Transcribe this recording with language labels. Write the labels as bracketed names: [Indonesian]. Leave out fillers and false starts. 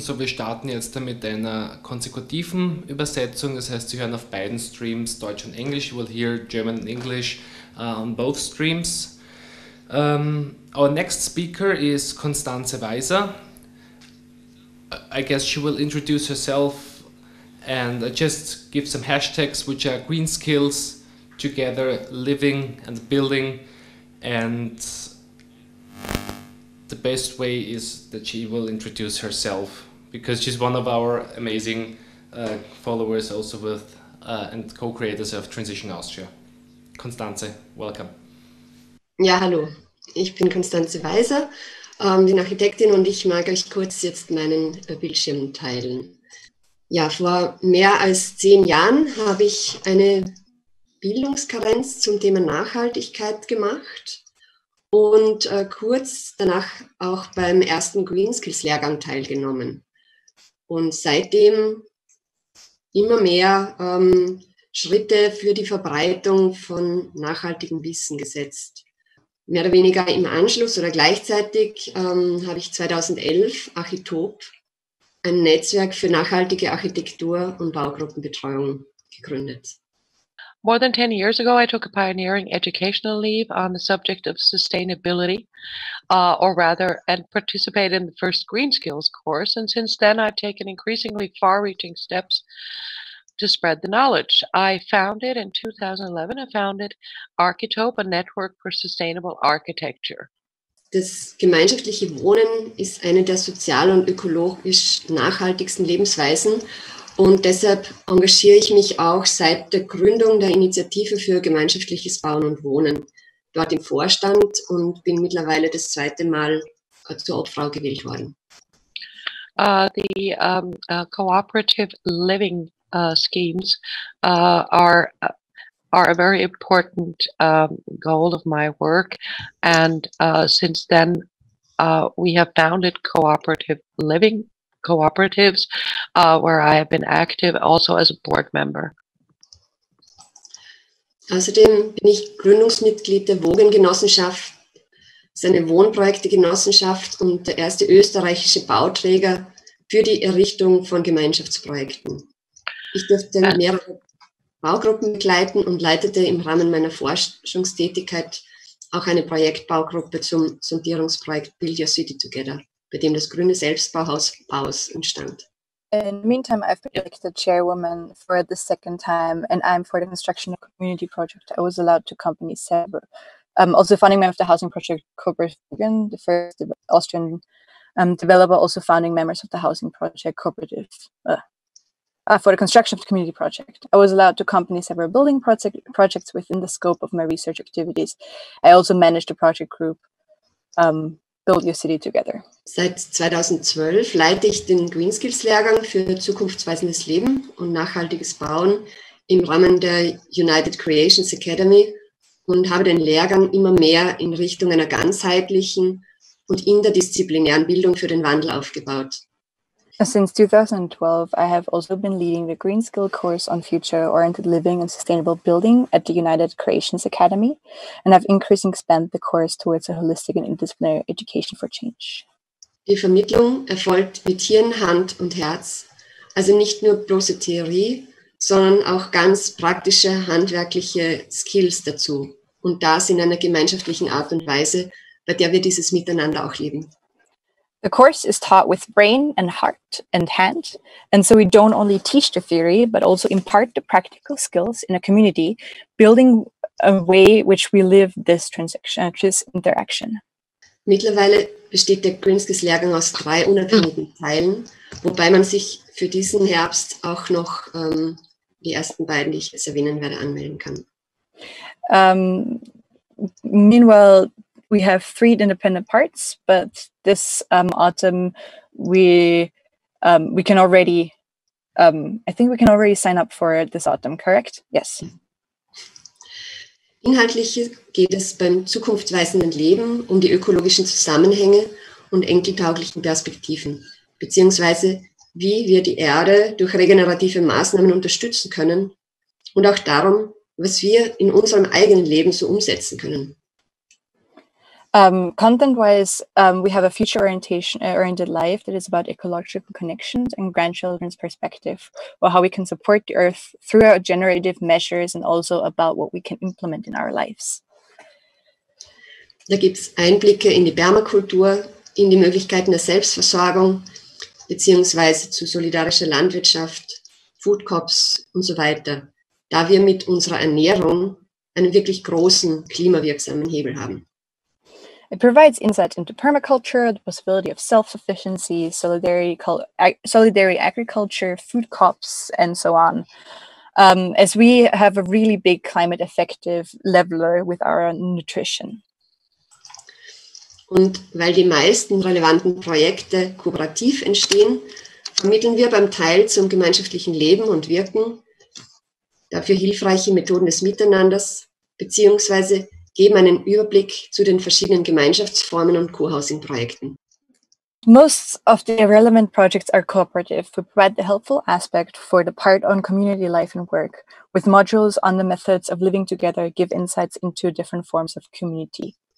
[German] So wir starten jetzt mit einer konsekutiven Übersetzung. Das heißt, Sie hören auf beiden Streams Deutsch und Englisch. [English] You will hear German and English on both streams. Our next speaker is Constanze Weiser. I guess she will introduce herself and just give some hashtags, which are green skills, together, living and building. And the best way is that she will introduce herself, because she's one of our amazing followers also with and co-creators of Transition Austria. Constanze, welcome. [German] Ja, hallo. Ich bin Constanze Weiser, bin Architektin, und ich mag euch kurz jetzt meinen Bildschirm teilen. Ja, vor mehr als 10 Jahren habe ich eine Bildungskarenz zum Thema Nachhaltigkeit gemacht und kurz danach auch beim ersten Green Skills Lehrgang teilgenommen. Und seitdem immer mehr Schritte für die Verbreitung von nachhaltigem Wissen gesetzt. Mehr oder weniger im Anschluss oder gleichzeitig habe ich 2011 Architop, ein Netzwerk für nachhaltige Architektur und Baugruppenbetreuung, gegründet. [English] More than 10 years ago, I took a pioneering educational leave on the subject of sustainability, and participated in the first Green Skills course. And since then, I've taken increasingly far-reaching steps to spread the knowledge. I founded in 2011, I founded Architope, a network for sustainable architecture. [German] Das gemeinschaftliche Wohnen ist eine der sozial und ökologisch nachhaltigsten Lebensweisen, und deshalb engagiere ich mich auch seit der Gründung der Initiative für gemeinschaftliches Bauen und Wohnen dort im Vorstand und bin mittlerweile das zweite Mal zur Obfrau gewählt worden. [English] Cooperative living schemes are a very important goal of my work, and since then we have founded cooperative living cooperatives where I have been active also as a board member. [German] Außerdem bin ich Gründungsmitglied der Wogengenossenschaft, seine Wohnprojektegenossenschaft und der erste österreichische Bauträger für die Errichtung von Gemeinschaftsprojekten. Ich durfte mehrere Baugruppen begleiten und leitete im Rahmen meiner Forschungstätigkeit auch eine Projektbaugruppe zum Sondierungsprojekt Build Your City Together, bei dem das grüne Selbstbauhaus Baus entstand. [English] In the meantime, I've been elected chairwoman for the second time, and I'm for the construction of community project. I was allowed to accompany several. Also founding member of the housing project Kobergen, the first Austrian developer, also founding members of the housing project cooperative. For the construction of the community project. I was allowed to accompany several building projects within the scope of my research activities. I also managed a project group, Build Your City Together. [German] Seit 2012 leite ich den Green Skills Lehrgang für zukunftsweisendes Leben und nachhaltiges Bauen im Rahmen der United Creations Academy und habe den Lehrgang immer mehr in Richtung einer ganzheitlichen und interdisziplinären Bildung für den Wandel aufgebaut. [English] Since 2012, I have also been leading the Green Skill course on future-oriented living and sustainable building at the United Creations Academy, and have increasingly expanded the course towards a holistic and interdisciplinary education for change. [German] Die Vermittlung erfolgt mit Hirn, Hand und Herz, also nicht nur bloße Theorie, sondern auch ganz praktische handwerkliche Skills dazu. Und das in einer gemeinschaftlichen Art und Weise, bei der wir dieses Miteinander auch leben. [English] The course is taught with brain and heart and hand, and so we don't only teach the theory, but also impart the practical skills in a community, building a way which we live this interaction. [German] Mittlerweile besteht der Grinskis-Lehrgang aus drei unabhängigen Teilen, wobei man sich für diesen Herbst auch noch die ersten beiden, die ich jetzt erwähnen werde, anmelden kann. [English] Meanwhile, we have three independent parts, but this autumn we can already, I think we can already sign up for this autumn, correct? Yes. [German] Inhaltlich geht es beim zukunftsweisenden Leben um die ökologischen Zusammenhänge und enkeltauglichen Perspektiven, beziehungsweise wie wir die Erde durch regenerative Maßnahmen unterstützen können und auch darum, was wir in unserem eigenen Leben so umsetzen können. [English] Content-wise, we have a future-oriented life that is about ecological connections and grandchildren's perspective, or how we can support the Earth through our generative measures and also about what we can implement in our lives. [German] Da gibt's Einblicke in die Permakultur, in die Möglichkeiten der Selbstversorgung, beziehungsweise zu solidarischer Landwirtschaft, Food Crops und so weiter, da wir mit unserer Ernährung einen wirklich großen klimawirksamen Hebel haben. [English] It provides insight into permaculture, the possibility of self-sufficiency, solidary agriculture, food crops, and so on. As we have a really big climate effective leveler with our nutrition. [German] Und weil die meisten relevanten Projekte kooperativ entstehen, vermitteln wir beim Teil zum gemeinschaftlichen Leben und Wirken dafür hilfreiche Methoden des Miteinanders, beziehungsweise geben einen Überblick zu den verschiedenen Gemeinschaftsformen und Co-Housing-Projekten. [English] Most of the relevant projects are cooperative. We provide the helpful aspect for the part on community life and work, with modules on the methods of living together, give insights into different forms of community.